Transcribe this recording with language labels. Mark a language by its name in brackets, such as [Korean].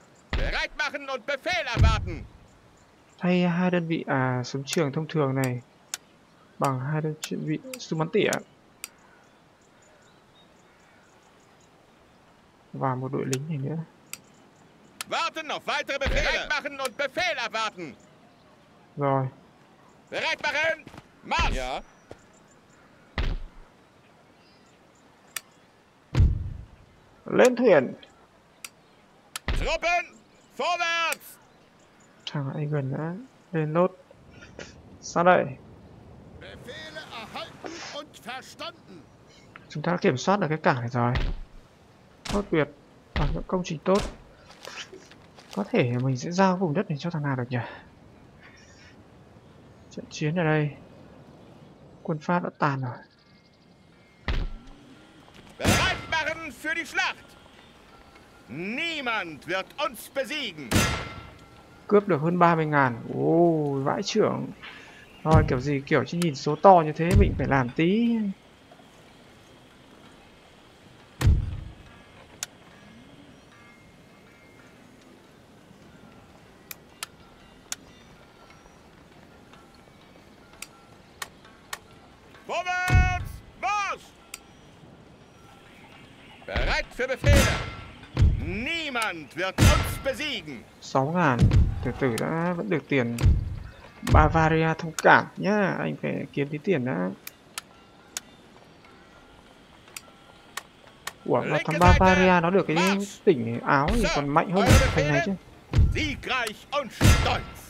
[German] Bereit machen und Befehl erwarten. [Vietnamese] Thay hai đơn vị súng trường thông thường này bằng hai đơn vị súng bắn tỉa và một đội lính này nữa. [German] Warten auf weitere Befehle. Bereit machen und Befehl erwarten. [Vietnamese] Rồi. [German] Bereit machen. Marsch. Ja. [Vietnamese] Lên thuyền. [German] Truppen. Vorwärts. [Vietnamese] Thằng ấy gần đã lên nốt. Sao đây? [German] Befehle erhalten und verstanden. [Vietnamese] Chúng ta đã kiểm soát được cái cảng này rồi. Tốt tuyệt. Và những công trình tốt. Có thể mình sẽ giao vùng đất này cho thằng nào được nhỉ? Trận chiến ở đây. Quân Pháp đã tàn rồi. [German] Bereit machen für die Schlacht. Niemand wird uns besiegen. [Vietnamese] Cướp được hơn 30.000. Ô, vãi trưởng. Thôi kiểu gì kiểu chứ nhìn số to như thế mình phải làm tí. [German] Vorwärts! Marsch! Bereit für Befehle. Niemand wird uns besiegen. [Vietnamese] 6.000. Từ từ đã, vẫn được tiền. Bavaria thông cảm nhá, anh phải kiếm tí tiền đã. Ủa, mà thằng Bavaria nó được cái tỉnh áo thì còn mạnh hơn thành này chứ. [German] Siegreich und stolz.